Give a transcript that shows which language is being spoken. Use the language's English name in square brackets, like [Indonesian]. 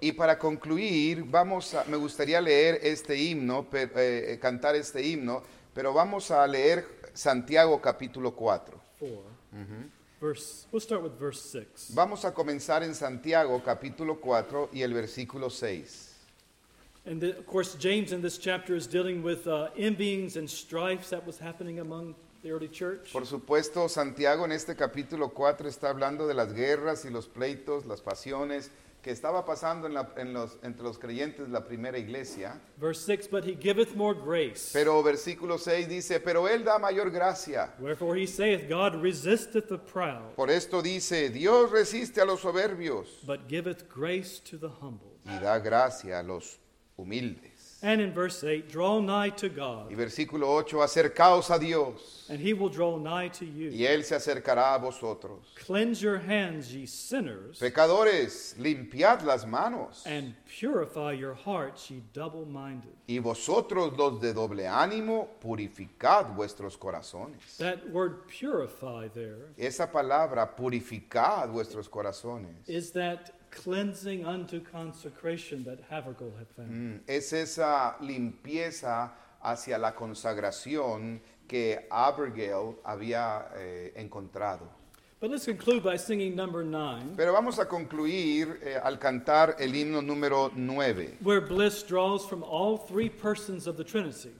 [Spanish] Y para concluir, me gustaría leer este himno, cantar este himno, pero vamos a leer Santiago capítulo 4. [English] We'll start with verse 6. [Spanish] Vamos a comenzar en Santiago capítulo 4 y el versículo 6. [English] And of course, James in this chapter is dealing with envyings and strifes that was happening among the early church. [Spanish] Por supuesto, Santiago en este capítulo 4 está hablando de las guerras y los pleitos, las pasiones que estaba pasando en la, en los, entre los creyentes de la primera iglesia. [English] Verse 6, but he giveth more grace. [Spanish] Pero versículo 6 dice, pero él da mayor gracia. [English] Wherefore he saith, God resisteth the proud. [Spanish] Por esto dice, Dios resiste a los soberbios. [English] But giveth grace to the humble. [Spanish] Y da gracia a los humildes. [English] And in verse 8, draw nigh to God. [Spanish] Y versículo 8, acercaos a Dios. [English] And he will draw nigh to you. [Spanish] Y él se acercará a vosotros. [English] Cleanse your hands, ye sinners. [Spanish] Pecadores, limpiad las manos. [English] And purify your hearts, ye double-minded. [Spanish] Y vosotros, los de doble ánimo, purificad vuestros corazones. [English] That word purify there. [Spanish] Esa palabra, purificad vuestros corazones. [English] Is that cleansing unto consecration that Habakkuk had found. [Spanish] Es esa limpieza hacia la consagración que Abigail había encontrado. [English] But let's conclude by singing number 9. [Spanish] Pero vamos a concluir al cantar el himno número 9. [English] Where bliss draws from all three persons of the Trinity.